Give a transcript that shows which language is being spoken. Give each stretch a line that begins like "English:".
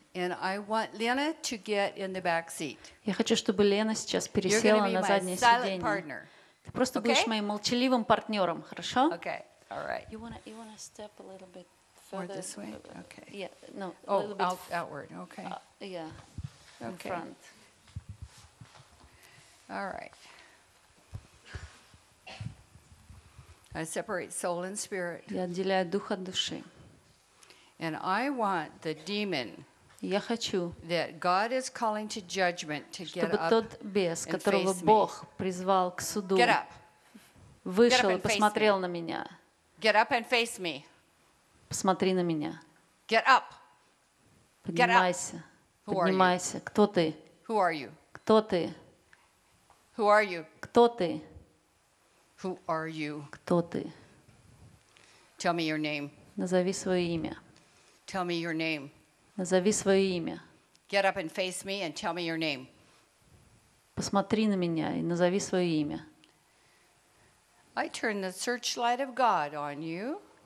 English: And I want Lena to get in the back seat.
Russian: Я хочу, чтобы Лена сейчас пересела на заднее сиденье. Ты просто будешь моим молчаливым партнёром, хорошо?
English: Okay. All right. You want to step a little bit further this way? Okay. Yeah. No, oh, a little bit outward. Okay. Yeah. Okay. In front. All right. I separate soul and spirit.
Russian: Я отделяю дух от души.
English: And I want the demon.
Russian: Я хочу.
English: That God is calling to judgment to get up.
Russian: Чтобы тот бес, которого Бог призвал к суду.
English: Get up.
Russian: Вышел и посмотрел на меня.
English: Get up and face me.
Russian: Посмотри на меня.
English: Get up.
Russian: Поднимайся. Поднимайся. Кто ты?
English: Who are you?
Russian: Кто ты?
English: Who are you?
Russian: Кто ты?
English: Who are you?
Russian: Кто ты?
English: Tell me your name.
Russian: Назови своё имя.
English: Tell me your name.
Russian: Назови своё имя.
English: Get up and face me and tell me your name.
Russian: Посмотри на меня и назови своё имя.
English: I turn the searchlight of God on you.